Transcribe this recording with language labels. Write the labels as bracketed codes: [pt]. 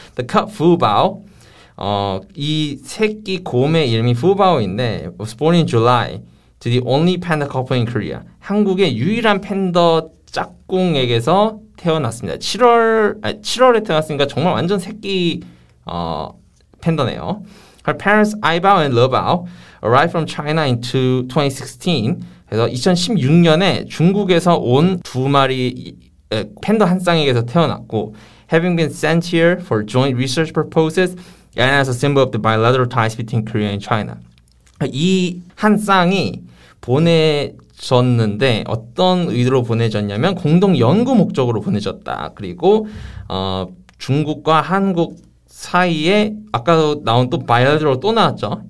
[en] The cut fubao. [ko] 이 새끼 곰의 이름이 후바오인데 [en] was born in July to the only panda couple in Korea. [ko] 한국의 유일한 팬더 짝꿍에게서 태어났습니다. 7월에 태어났으니까 정말 완전 새끼 팬더네요. [en] Her parents Aibao and Lebao arrived from China in 2016. [ko] 그래서 2016년에 중국에서 온 두 마리 팬더 한 쌍에게서 태어났고 [en] having been sent here for joint research purposes. And as a symbol of the bilateral ties between Korea and China. [ko] 이 한 쌍이 보내졌는데 어떤 의도로 보내졌냐면 공동 연구 목적으로 보내졌다. 그리고 중국과 한국 사이에 아까 나온 또 bilateral 또 나왔죠.